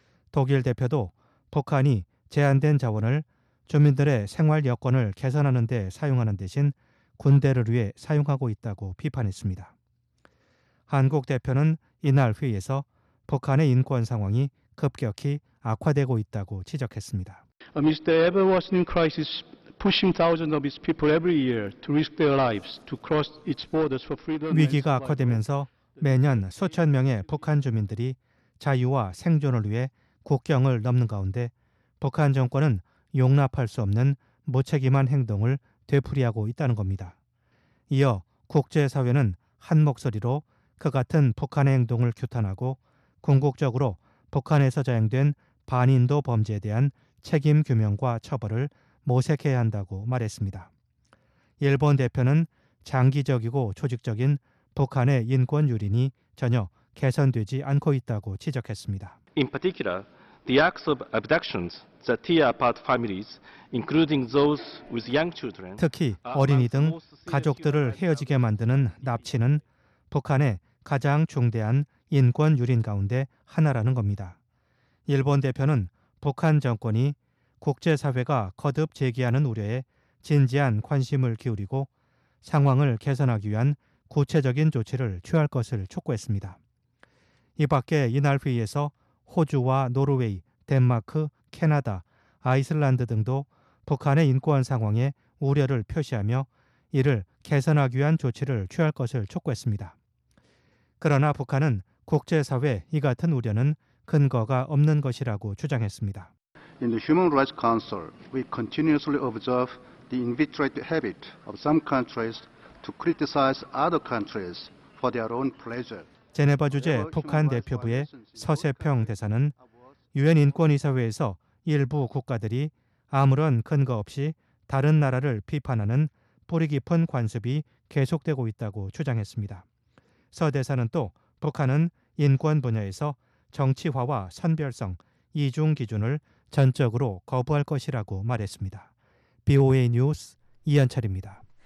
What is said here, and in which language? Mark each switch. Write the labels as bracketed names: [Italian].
[Korean] 독일 대표도 북한이 제한된 자원을 주민들의 생활 여건을 개선하는 데 사용하는 대신 군대를 위해 사용하고 있다고 비판했습니다. 한국 대표는 이날 회의에서 북한의 인권 상황이 급격히 악화되고 있다고 지적했습니다. [English] Amidst the ever-worsening crisis pushing thousands of its people every year to risk their lives to cross its borders for freedom. [Korean] 위기가 악화되면서 매년 수천 명의 북한 주민들이 자유와 생존을 위해 국경을 넘는 가운데 북한 정권은 용납할 수 없는 무책임한 행동을 되풀이하고 있다는 겁니다. 이어 국제사회는 한 목소리로 그 같은 북한의 행동을 규탄하고 궁극적으로 북한에서 자행된 반인도 범죄에 대한 책임 규명과 처벌을 모색해야 한다고 말했습니다. 일본 대표는 장기적이고 조직적인 북한의 인권 유린이 전혀 개선되지 않고 있다고 지적했습니다. [English] In particular, the acts of abductions that tear apart families, including those with young children, [Korean] 특히 어린이 등 가족들을 헤어지게 만드는 납치는 북한의 가장 중대한 인권 유린 가운데 하나라는 겁니다. 일본 대표는 북한 정권이 국제사회가 거듭 제기하는 우려에 진지한 관심을 기울이고 상황을 개선하기 위한 구체적인 조치를 취할 것을 촉구했습니다. 이 밖에 이날 회의에서 호주와 노르웨이, 덴마크, 캐나다, 아이슬란드 등도 북한의 인권 상황에 우려를 표시하며 이를 개선하기 위한 조치를 취할 것을 촉구했습니다. 그러나 북한은 국제사회 이 같은 우려는 근거가 없는 것이라고 주장했습니다. [English] In the Human Rights Council, we continuously observe the inveterate habit of some countries to criticize other countries for their own pleasure. [Korean] 제네바 주재 북한 대표부의 서세평 대사는 유엔 인권이사회에서 일부 국가들이 아무런 근거 없이 다른 나라를 비판하는 뿌리 깊은 관습이 계속되고 있다고 주장했습니다. 서 대사는 또 북한은 인권 분야에서 정치화와 선별성, 이중 기준을 전적으로 거부할 것이라고 말했습니다. BOA 뉴스 이한철입니다.